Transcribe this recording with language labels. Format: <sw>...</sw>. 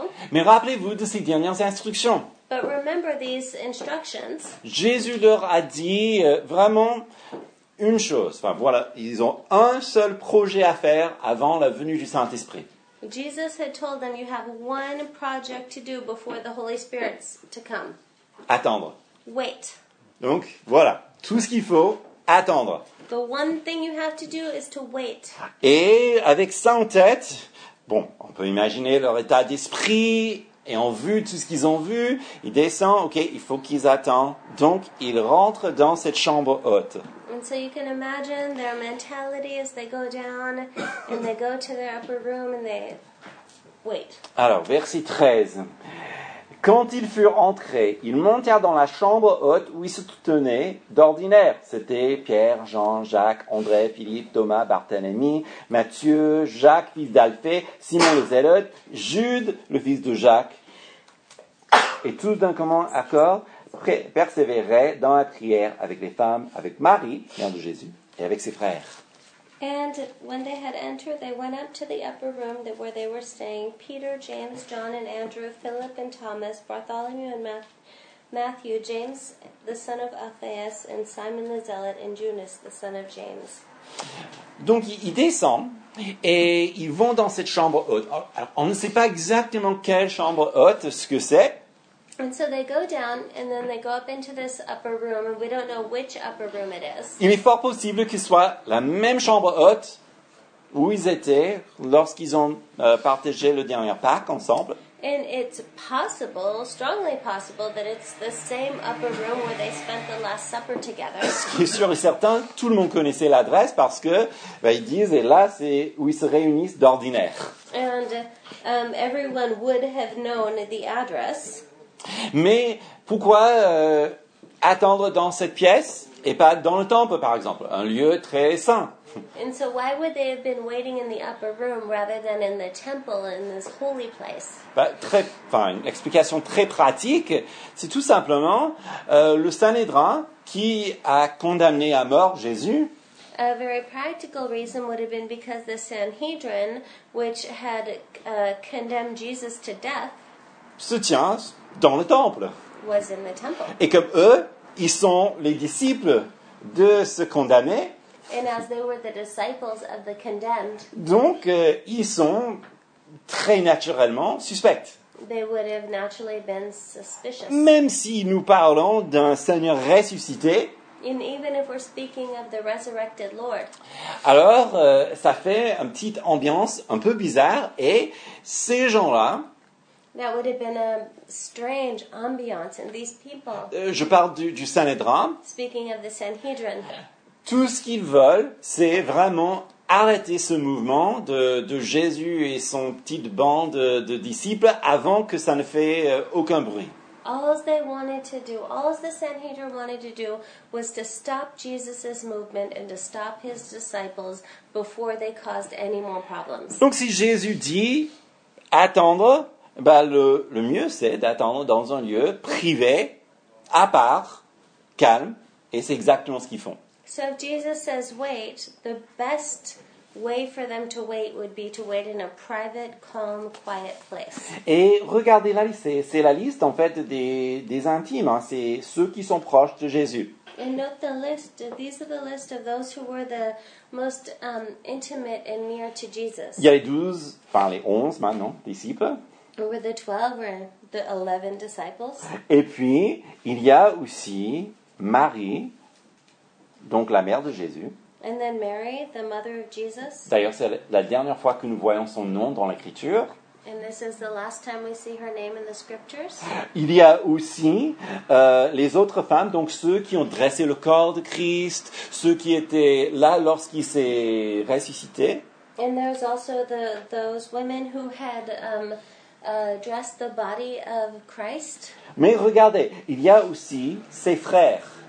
<fr>Mais rappelez-vous de ces dernières instructions.</fr> <en>But remember these instructions.</en> <fr>Jésus leur a dit vraiment une chose. Enfin, voilà, ils ont un seul projet à faire avant la venue du Saint-Esprit.</fr> <en>Jesus had told them, you have one project to do before the Holy Spirit to come.</en> <fr>Attendre.</fr> <en>Wait.</en> <fr>Donc, voilà. Tout ce qu'il faut, attendre.</fr> <en>The one thing you have to do is to wait.</en> <fr>Et avec ça en tête, bon, on peut imaginer leur état d'esprit, et en vue de tout ce qu'ils ont vu, ils descendent, ok, il faut qu'ils attendent. Donc, ils rentrent dans cette chambre haute.</fr> <en>And so you can imagine their mentality as they go down and they go to their upper room and they wait.</en> <fr>Alors, verset 13. Quand ils furent entrés, ils montèrent dans la chambre haute où ils se tenaient d'ordinaire. C'était Pierre, Jean, Jacques, André, Philippe, Thomas, Barthélemy, Matthieu, Jacques, fils d'Alphée, Simon le Zélote, Jude, le fils de Jacques. Et tous d'un commun accord persévérait dans la prière avec les femmes, avec Marie, mère de Jésus, et avec ses frères.</fr> <en>And when they had entered, they went up to the upper room where they were staying. Peter, James, John, and Andrew, Philip, and Thomas, Bartholomew, and Matthew, James, the son of Alphaeus, and Simon the Zealot, and Judas, the son of James.</en> <fr>Donc, ils descendent et ils vont dans cette chambre haute. Alors, on ne sait pas exactement quelle chambre haute ce que c'est.</fr> <en>And so they go down and then they go up into this upper room and we don't know which upper room it is.</en> <fr>Il est fort possible que ce soit la même chambre haute où ils étaient lorsqu'ils ont partagé le dernier pack ensemble.</fr> <en>And it's possible, strongly possible, that it's the same upper room where they spent the last supper together.</en> <fr>Ce qui est sûr et certain, tout le monde connaissait l'adresse parce que, ben, ils disent, et là, c'est où ils se réunissent d'ordinaire.</fr> <en>And everyone would have known the address.</en> <fr>Mais pourquoi attendre dans cette pièce et pas dans le temple, par exemple, un lieu très saint?</fr> <en>And so why would they have been waiting in the upper room rather than in the temple in this holy place?</en> <fr>Une explication très pratique, c'est tout simplement le Sanhédrin qui a condamné à mort Jésus.</fr> <en>A very practical reason would have been because the Sanhedrin, which had condemned Jesus to death,</en> <fr>se tient dans le temple.</fr> <en>Was in the temple.</en> <fr>Et comme eux, ils sont les disciples de ce condamné.</fr> <en>And as they were the disciples of the condemned,</en> <fr>donc, ils sont très naturellement suspects.</fr> <en>They would have naturally been suspicious.</en> <fr>Même si nous parlons d'un Seigneur ressuscité,</fr> <en>and even if we're speaking of the resurrected Lord,</en> <fr>alors, ça fait une petite ambiance un peu bizarre, et ces gens-là,</fr> <en>that would have been a strange ambiance, and these people,</en> <fr>je parle du Sanhédrin,</fr> <en>speaking of the Sanhedrin,</en> <fr>tout ce qu'ils veulent, c'est vraiment arrêter ce mouvement de Jésus et son petite bande de disciples avant que ça ne fait aucun bruit.</fr> <en>All they wanted to do, all the Sanhedrin wanted to do, was to stop Jesus's movement and to stop his disciples before they caused any more problems.</en> <fr>Donc si Jésus dit attendre, bah le mieux c'est d'attendre dans un lieu privé, à part, calme, et c'est exactement ce qu'ils font.</fr> <en>So if Jesus says wait, the best way for them to wait would be to wait in a private, calm, quiet place.</en> <fr>Et regardez la liste, c'est la liste en fait des intimes, hein. C'est ceux qui sont proches de Jésus.</fr> <en>And note the list, these are the list of those who were the most intimate and near to Jesus.</en> <fr>Il y a les 12, enfin les 11 maintenant, disciples.</fr> <en>Who were the 12 or the 11 disciples.</en> <fr>Et puis, il y a aussi Marie. Donc la mère de Jésus.</fr> <en>And then Mary, the mother of Jesus.</en> <fr>D'ailleurs, c'est la dernière fois que nous voyons son nom dans l'Écriture.</fr> <en>And this is the last time we see her name in the scriptures.</en> <fr>Il y a aussi les autres femmes, donc ceux qui ont dressé le corps de Christ, ceux qui étaient là lorsqu'il s'est ressuscité.</fr> <en>And there's also those women who had dressed the body of Christ.</en> <fr>Mais regardez, il y a aussi ses frères.</fr>